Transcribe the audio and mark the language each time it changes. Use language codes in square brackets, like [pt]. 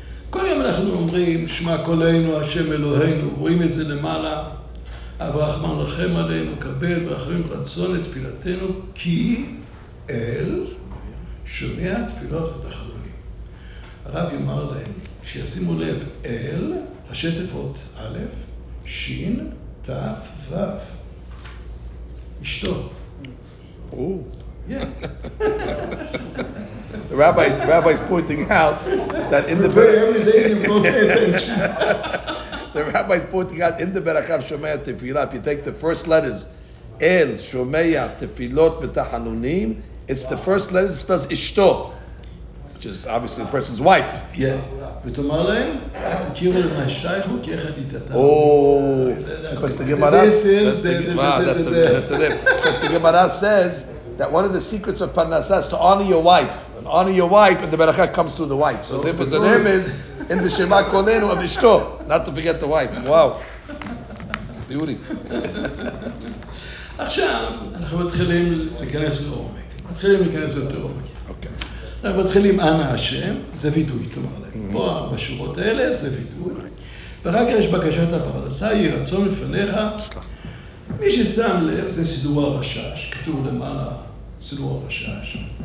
[he] כל יום אנחנו אומרים שמה קולנו, השם אלוהינו, רואים את זה למעלה, אבל רחמן לכם עלינו, קבל ואחרים רצון את תפילתנו, כי אל שומע תפילות ותחלולים. הרב יאמר להם שישימו לב אל, השתפות א', שין, ת', ו'. אשתו. Ooh. [en] Yeah. the rabbi is pointing out that in the the rabbi is pointing out in the berachah shomea tefillah, if you take the first letters [he] el shomea tefillot v'tachanunim, [en] it's the first letters spells ishto, which is obviously the person's wife. Yeah. Because the Gemara says that one of the secrets of Parnasa is to honor your wife. And honor your wife, and the Berakha comes through the wife. So therefore, the name is in the Shema Kolenu of Ishto. Not to forget the wife. Wow. Beauty. [he] עכשיו, אנחנו מתחילים להיכנס לעומק. [en] Okay. [he] אנחנו מתחילים, אנא השם, זה וידוי, תאמר להם. פה, בשורות האלה, זה וידוי. ואחר כך יש בקשת הפרנסה, יהי רצון לפניך. מי ששם לב, זה סידור הרשש, כתוב למעלה, סידור הרשש.